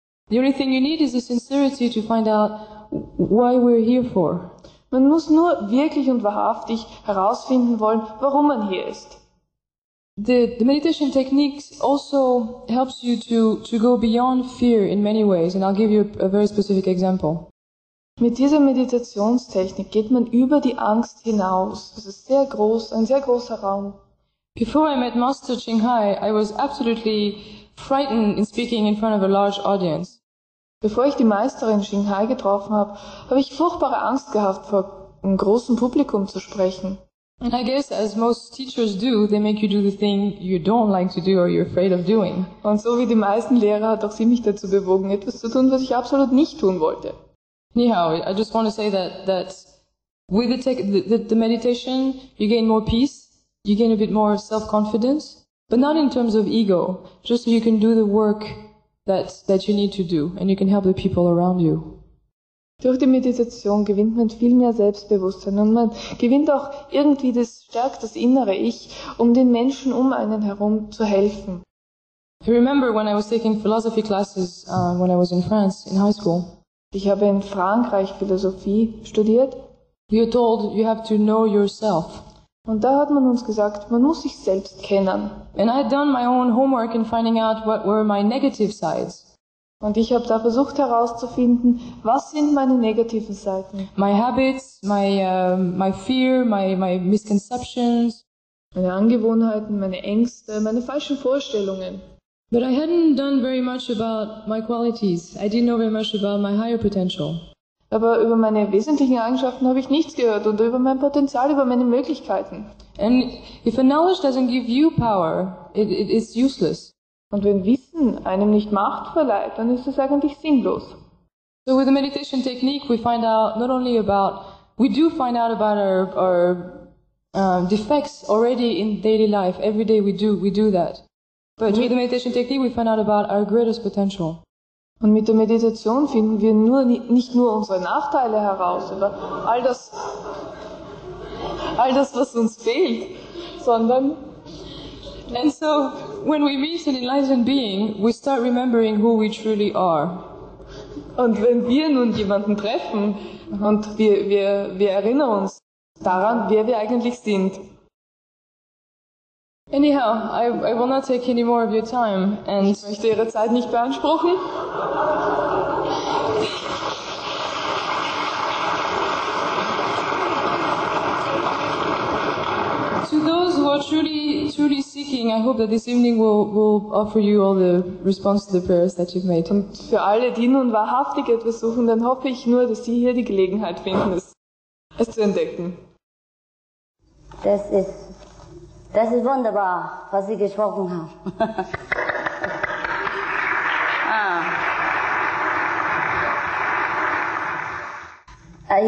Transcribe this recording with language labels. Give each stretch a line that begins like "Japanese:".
English: The only thing you need is the sincerity to find out why we're here for.
German: Man muss nur wirklich und wahrhaftig herausfinden wollen, warum man hier ist.
English: The meditation techniques also helps you to go beyond fear in many ways, and I'll give you a very specific example.
German: Mit dieser Meditationstechnik geht man über die Angst hinaus. Es ist sehr groß, ein sehr großer Raum.
English: Before I met Master Ching Hai, I was absolutely frightened in speaking in front of a large audience.
German: Bevor ich die Meisterin Ching Hai getroffen habe, habe ich furchtbare Angst gehabt, vor einem großen Publikum zu sprechen.
English: And I guess as most teachers do, they make you do the thing you don't like to do or you're afraid of doing.
German: Und so wie die meisten Lehrer hat auch sie mich dazu bewogen, etwas zu tun, was ich absolut nicht tun wollte.
English: Anyhow, I just want to say that with the meditation, you gain more peace, you gain a bit more self-confidence, but not in terms of ego, just so you can do the work that you need to do, and you can help the people around you.
German: Durch die Meditation gewinnt man viel mehr Selbstbewusstsein und man gewinnt auch irgendwie das innere Ich, um den Menschen um einen herum zu helfen.
English: I remember when I was taking philosophy classes when I was in France in high school.
German: Ich habe in Frankreich Philosophie studiert.
English: You're told you have to know yourself.
German: Und da hat man uns gesagt, man muss sich selbst kennen.
English: And I had done my own homework in finding out what were my negative sides.
German: Und ich habe da versucht herauszufinden, was sind meine negativen Seiten?
English: My habits, my fear, my misconceptions.
German: Meine Angewohnheiten, meine Ängste, meine falschen Vorstellungen.
English: But I hadn't done very much about my qualities. I didn't know very much about my higher potential.
German: Aber über meine wesentlichen Eigenschaften habe ich nichts gehört und über mein Potenzial, über meine Möglichkeiten.
English: And if a knowledge doesn't give you power, it is useless.
German: Und wenn Wissen einem nicht Macht verleiht, dann ist es eigentlich sinnlos.
English: So with the meditation technique, we find out about our defects already in daily life. Every day we do that. But with the meditation technique, we find out about our greatest potential.
German: Und mit der Meditation finden wir nicht nur unsere Nachteile heraus, aber all das, was uns fehlt, sondern.
English: And so, when we meet an enlightened being, we start remembering who we truly are.
German: Und wenn wir nun jemanden treffen und wir erinnern uns daran, wer wir eigentlich sind.
English: Anyhow, I will not take any more of your time. And
German: ich möchte Ihre Zeit nicht beanspruchen.
English: To those who are truly, truly seeking, I hope that this evening will offer you all the response to the prayers that you've made.
German: Und für alle, die nun wahrhaftig etwas suchen, dann hoffe ich nur, dass Sie hier die Gelegenheit finden, es zu entdecken. Das ist wunderbar, was Sie gesprochen haben.